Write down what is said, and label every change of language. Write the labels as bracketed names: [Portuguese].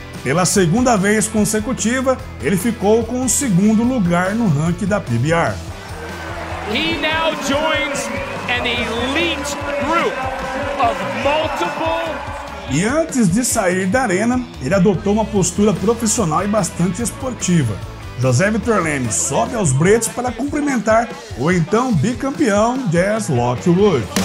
[Portuguese] Pela segunda vez consecutiva, ele ficou com o segundo lugar no ranking da PBR. [English] He now joins an elite group of multiple... [Portuguese] E antes de sair da arena, ele adotou uma postura profissional e bastante esportiva. José Vitor Leme sobe aos bretes para cumprimentar o então bicampeão Jazz Lockwood.